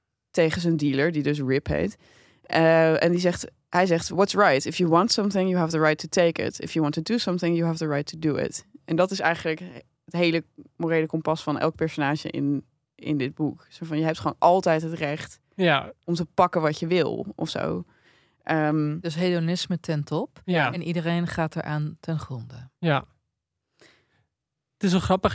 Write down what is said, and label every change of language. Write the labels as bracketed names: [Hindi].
[Dutch] Tegen zijn dealer, die dus Rip heet. En die zegt, hij zegt, [English] what's right? If you want something, you have the right to take it. If you want to do something, you have the right to do it. [Dutch] En dat is eigenlijk het hele morele kompas van elk personage in dit boek. Zo van, je hebt gewoon altijd het recht om te pakken wat je wil, of zo. Dus hedonisme ten top. Ja. En iedereen gaat eraan ten gronde. Ja. Het is wel grappig.